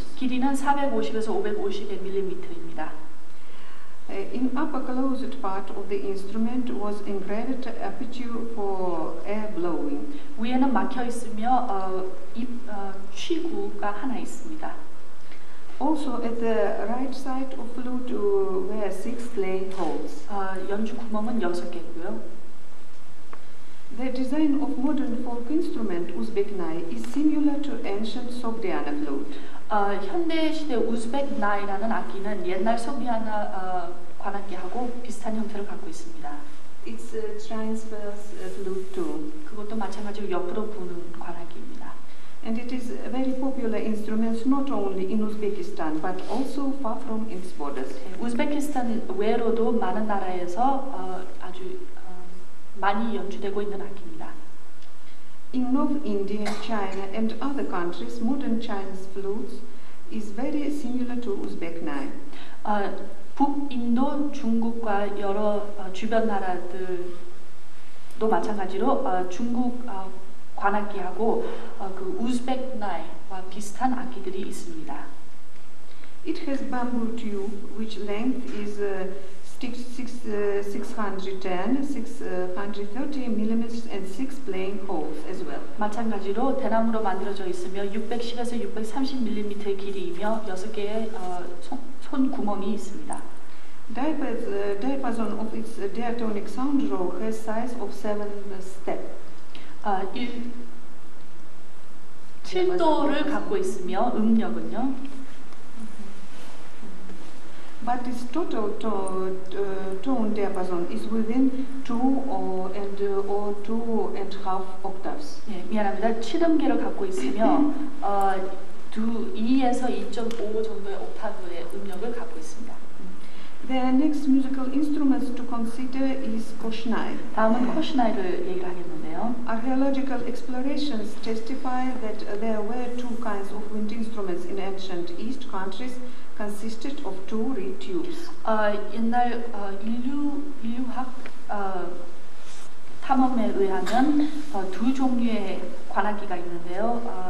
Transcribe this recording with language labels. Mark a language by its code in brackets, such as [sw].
[ko] 길이는 450에서 550mm입니다. [en] In upper closed part of the instrument was engraved aperture for air blowing. [ko] 위에는 막혀 있으며 취구가 하나 있습니다. [en] Also at the right side of flute were 6 clay holes. [ko] 연주 구멍은 6개고요. [en] The design of modern folk instrument Uzbek nai is similar to ancient Sogdiana flute. [ko] 현대 시대 우즈벡 나이라는 악기는 옛날 소비아나 관악기하고 비슷한 형태를 갖고 있습니다. [en] It's a transverse flute too. [ko] 그것도 마찬가지로 옆으로 부는 관악기입니다. [en] And it is a very popular instrument not only in Uzbekistan but also far from its borders. [ko] 우즈베키스탄 외로도 많은 나라에서 아주 많이 연주되고 있는 악기입니다. [en] In North India, China, and other countries, modern Chinese flutes is very similar to Uzbek nai. [ko] 북인도, 중국과 여러 주변 나라들도 마찬가지로 중국 관악기하고 그 우즈벡 나이와 비슷한 악기들이 있습니다. [en] It has bamboo tube, which length is 610, 630 mm and 6 playing holes as well. [ko] 마찬가지로 대나무로 만들어져 있으며 610에서 630mm의 길이이며 6개의 손 구멍이 있습니다. [en] Diapason of its diatonic sound row has size of 7 step. [ko] 7도를 갖고 있으며 음역은요. [en] But its total tone diapason is within 2 or 2.5 octaves. [ko] 예, 미안합니다. 7음계를 갖고 있으며 2에서 2.5 정도의 옥타브의 음역을 갖고 있습니다. [en] The next musical instruments to consider is koshnai. [ko] 다음은 koshnai를 얘기를 하겠는데요. [en] Archaeological explorations testify that there were two kinds of wind instruments in ancient East countries. Consisted of two reed tubes. [ko] 옛날 인류학 탐험에 의하면 두 종류의 관악기가 있는데요.